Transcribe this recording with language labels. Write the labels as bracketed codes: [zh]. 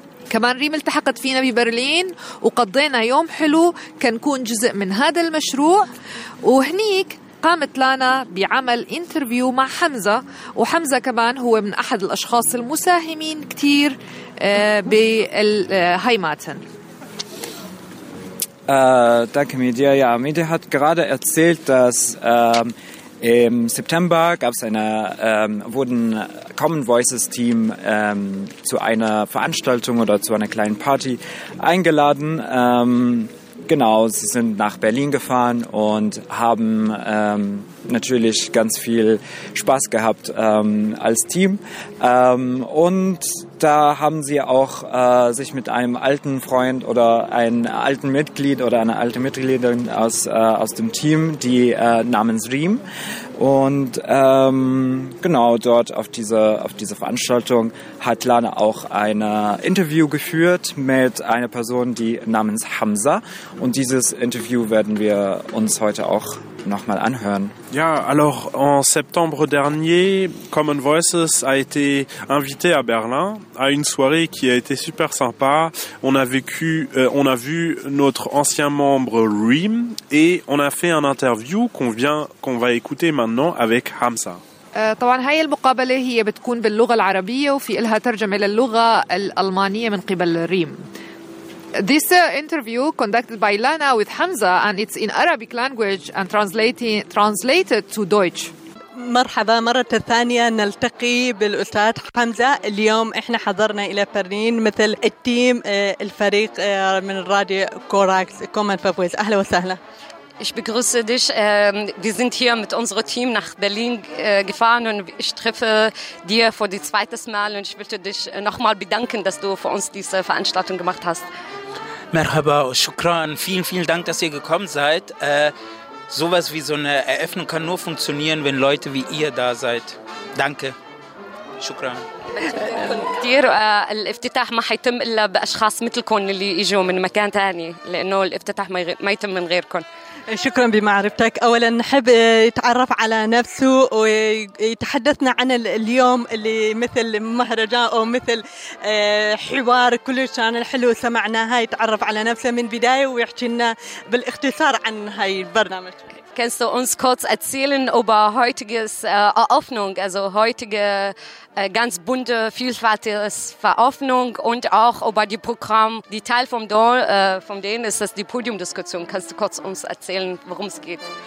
[ar] كمان ريم التحقت فينا ببرلين وقضينا يوم حلو كنكون جزء من هذا المشروع. وهنيك قامت لانا بعمل انترفيو مع حمزة، وحمزة كمان هو من أحد الأشخاص المساهمين كتير بالهايماتن. [de] Danke Media. Ja, Media hat gerade erzählt, dass im September gab es eine wurden Common Voices Team zu einer Veranstaltung oder zu einer kleinen Party eingeladen. Genau, sie sind nach Berlin gefahren und haben natürlich ganz viel Spaß gehabt als Team. Und da haben sie auch sich mit einem alten Freund oder einem alten Mitglied oder einer alten Mitgliedin aus dem Team, die namens Riem. Und genau dort auf diese Veranstaltung hat Lana auch ein Interview geführt mit einer Person, die namens Hamza. Und dieses Interview werden wir uns heute auch nochmal anhören. [fr] Ja, alors en septembre dernier, Common Voices a été invité à Berlin à une soirée qui a été super sympa. On a vu notre ancien membre Riem et on a fait un interview qu'on va écouter maintenant avec Hamza. [ar] طبعا هاي المقابلة هي بتكون باللغة العربية وفي إلها ترجمة للغة الألمانية من قبل ريم. [en] This interview conducted by Lana with Hamza and it's in Arabic language and translated to Deutsch. [ar] مرحبا مرة ثانية، نلتقي بالأستاذ حمزة. اليوم احنا حضرنا إلى برلين مثل التيم الفريق من الراديو كوراكس كومن فويس. أهلا وسهلا. [de] Ich begrüße dich. Wir sind hier mit unserem Team nach Berlin gefahren und ich treffe dir für das zweite Mal und ich möchte dich nochmal bedanken, dass du für uns diese Veranstaltung gemacht hast. [ar] Merhaba, shukran. [de] Vielen, vielen Dank, dass ihr gekommen seid. Sowas wie so eine Eröffnung kann nur funktionieren, wenn Leute wie ihr da seid. Danke. [ar] Shukran. كتير الافتتاح ما حيتم إلا بأشخاص مثلكم اللي يجوا من مكان تاني، لأنه الافتتاح ما يتم من غيركم. شكرا بمعرفتك. أولا نحب يتعرف على نفسه ويتحدثنا عن اليوم اللي مثل مهرجان أو مثل حوار كلش كان الحلو سمعناها، يتعرف على نفسه من بداية ويحكي لنا بالاختصار عن هاي البرنامج. [de] Kannst du uns kurz erzählen über heutiges Eröffnung, also heutige ganz bunte, vielfältiges Eröffnung und auch über die Programm, die Teil vom Dorn, von denen ist das die Podiumdiskussion. Kannst du kurz uns erzählen, worum es geht?